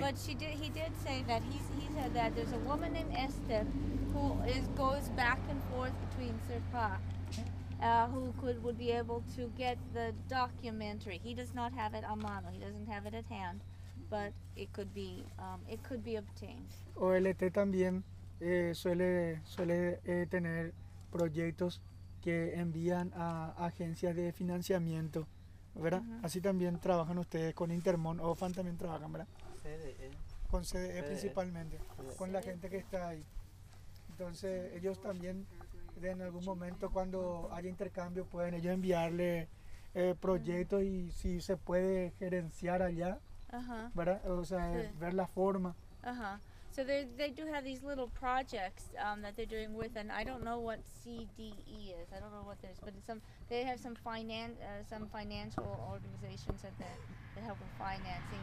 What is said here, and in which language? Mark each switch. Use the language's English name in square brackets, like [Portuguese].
[English] But he did say that he said that there's a woman named Esther who goes back and forth between Serpa, who would be able to get the documentary. He does not have it [Spanish] a mano. [English] He doesn't have it at hand, but it could be obtained. [Spanish] OLT también suele tener proyectos que envían a agencias de financiamiento, ¿verdad? Uh-huh. Así también trabajan ustedes con Intermón, o OFAN también trabajan, ¿verdad? CDE principalmente, con la gente que está ahí. Entonces ellos también, en algún momento cuando haya intercambio, pueden ellos enviarle proyectos y si se puede gerenciar allá, uh-huh. ¿verdad? O sea, uh-huh. ver la forma. Ajá. Uh-huh. [English] So they do have these little projects that they're doing with, and I don't know what CDE is. I don't know what there's, but it's some financial organizations that help with financing.